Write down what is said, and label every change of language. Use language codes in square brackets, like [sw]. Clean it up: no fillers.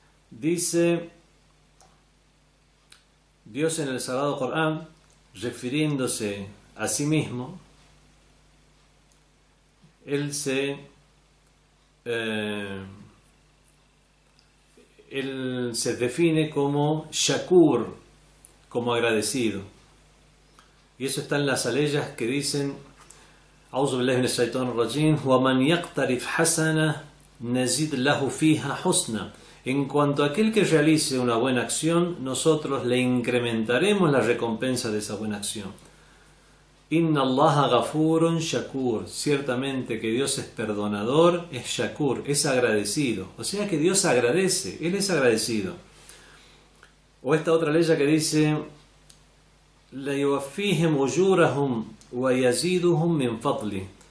[es] Dice Dios en el Sagrado Corán, refiriéndose a sí mismo, él se define como Shakur, como agradecido. Y eso está en las aleyas que dicen: [ar] أعوذ بالله من الشيطان الرجيم ومن يقترف حسنة نزيد له فيها حسنة. [es] En cuanto a aquel que realice una buena acción, nosotros le incrementaremos la recompensa de esa buena acción. [ar] Inna Allah ghafurun shakur. [es] Ciertamente que Dios es perdonador, es shakur, es agradecido. O sea que Dios agradece, Él es agradecido. O esta otra ley que dice: [ar] La yuwaffihim ujurahum wa yaziduhum min fadli.